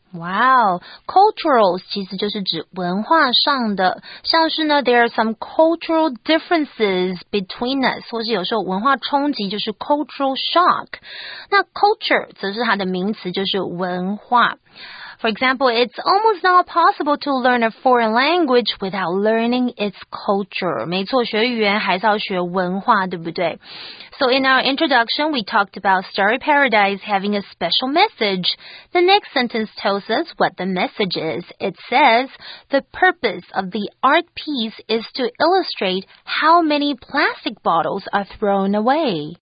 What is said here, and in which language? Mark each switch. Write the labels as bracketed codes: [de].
[zh] Wow, cultural 其实就是指文化上的，像是呢 there are some cultural differences between us, 或是有时候文化冲击就是 cultural shock. 那 culture 则是它的名词，就是文化。 [en] For example, it's almost not possible to learn a foreign language without learning its culture. [zh] 没错，学语言还是要学文化，对不对？ [en] So in our introduction, we talked about Starry Paradise having a special message. The next sentence tells us what the message is. It says, the purpose of the art piece is to illustrate how many plastic bottles are thrown away.